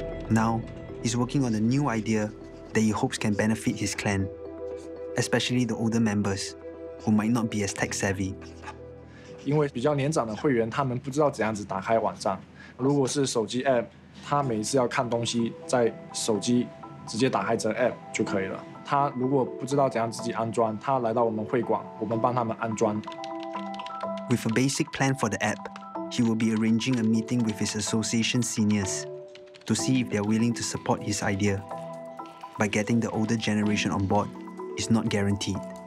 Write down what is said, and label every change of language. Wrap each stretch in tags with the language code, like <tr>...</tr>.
<en>Now, he's working on a new idea that he hopes can benefit his clan, especially the older members, who might not be as tech savvy.</en> <zh>因为比较年长的会员，他们不知道怎样子打开网站。如果是手机 app， 他每一次要看东西，在手机直接打开这个 app 就可以了。他如果不知道怎样自己安装，他来到我们会馆，我们帮他们安装。</zh> <en>With a basic plan for the app. He will be arranging a meeting with his association seniors to see if they are willing to support his idea. By getting the older generation on board, it's not guaranteed.</en>